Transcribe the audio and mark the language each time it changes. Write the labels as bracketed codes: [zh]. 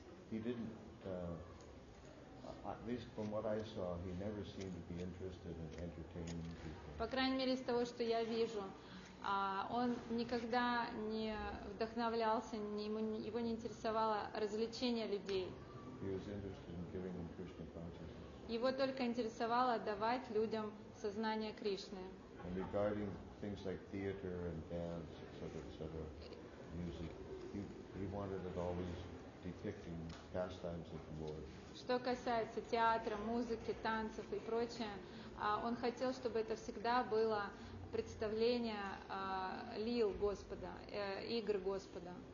[en] He didn't, at least from what I saw, he never seemed to be interested in entertaining people. [ru] По крайней мере, из того, что я вижу, он никогда не вдохновлялся, его не интересовало развлечение людей. [en] He was interested in giving them Krishna consciousness. [ru] Его только интересовало давать людям сознание Кришны. [en] And regarding things like theater and dance, etc., music, he wanted it always depicting pastimes of the Lord. [ru] Что касается театра, музыки, танцев и прочее, он хотел, чтобы это всегда было представление лил Господа, игр Господа.